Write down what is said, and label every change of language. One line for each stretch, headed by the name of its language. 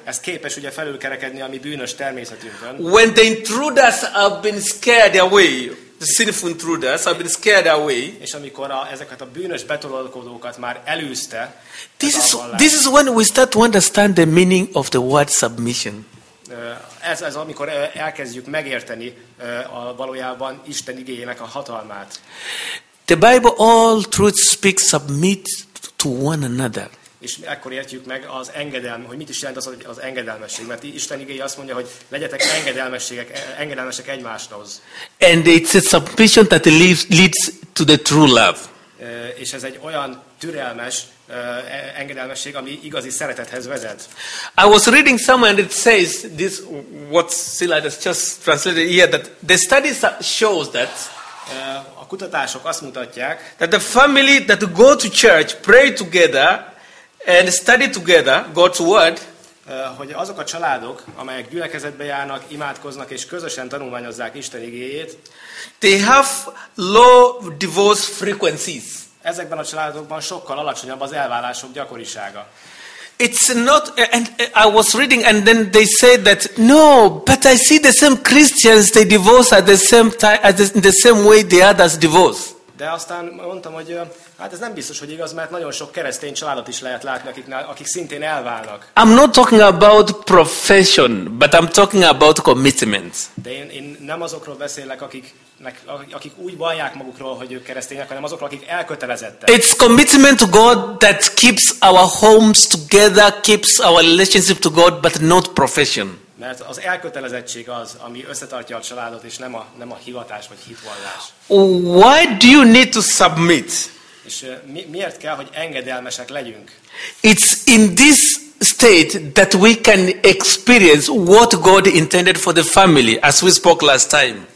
Hungarian: Ez képes ugye felülkerekedni a mi bűnös természetünkön.
English: When the intruders have been scared away, the sinful intruders have been scared away.
Hungarian: És amikor ezeket a bűnös betolakodókat már elűzte.
English: This is when we start to understand the meaning of the word submission.
Hungarian: Ez amikor elkezdjük megérteni a valójában Isten igényének a hatalmát.
English: The Bible all truth speaks submit to one another.
Hungarian: És ekkor értjük meg az engedelm, hogy mit is jelent az engedelmesség, mert Isten igéje azt mondja, hogy legyetek engedelmesek egymáshoz.
English: And it's a submission that leads to the true love.
Hungarian: És ez egy olyan türelmes engedelmesség, ami igazi szeretethez vezet.
English: I was reading somewhere and it says this what Silas has just translated here that the study shows that
Hungarian: a kutatások azt mutatják
English: that the family that go to church, pray together and study together God's word,
Hungarian: hogy azok a családok, amelyek gyülekezetbe járnak, imádkoznak és közösen tanulmányozzák Isten igéjét,
English: they have low divorce frequencies.
Hungarian: Ezekben a családokban sokkal alacsonyabb az elválások gyakorisága.
English: It's not, and I was reading, and then they said that no, but I see the same Christians they divorce at the same time, at the same way the others divorce.
Hungarian: De aztán mondtam, hogy hát ez nem biztos, hogy igaz, mert nagyon sok keresztény családot is lehet látni, akik szintén elválnak.
English: I'm not talking about profession, but I'm talking about commitment.
Hungarian: De én nem azokról beszélek, akik úgy vallják magukról, hogy ők keresztények, hanem azokról, akik elkötelezettek.
English: It's commitment to God that keeps our homes together, keeps our relationship to God, but not profession.
Hungarian: Mert az elkötelezettség az, ami összetartja a családot, és nem a hivatás vagy hitvallás.
English: Why do you need to submit?
Hungarian: És miért kell, hogy engedelmesek legyünk?
English: It's in this state that we can experience what God intended for the family, as we spoke last time.